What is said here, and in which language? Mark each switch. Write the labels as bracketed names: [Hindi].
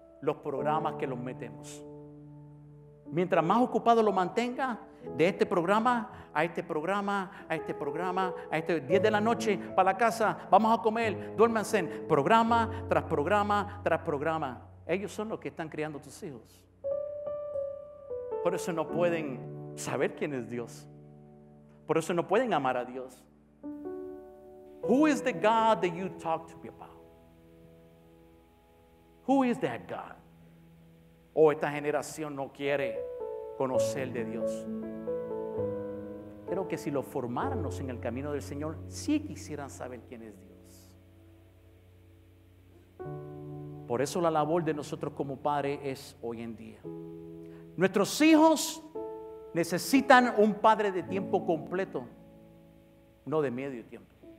[Spanish] Los programas que los metemos. Mientras más ocupado lo mantenga, de este programa a este programa, a este programa, a este 10 de la noche para la casa, vamos a comer, duérmanse. Programa tras programa tras programa. Ellos son los que están criando tus hijos. Por eso no pueden saber quién es Dios. Por eso no pueden amar a Dios. [English] Who is the God that you talk to me about? Who is that God? [Spanish] Esta generación no quiere conocer de Dios. Creo que si lo formáramos en el camino del Señor, sí quisieran saber quién es Dios. Por eso la labor de nosotros como padre es hoy en día. Nuestros hijos necesitan un padre de tiempo completo, no de medio tiempo.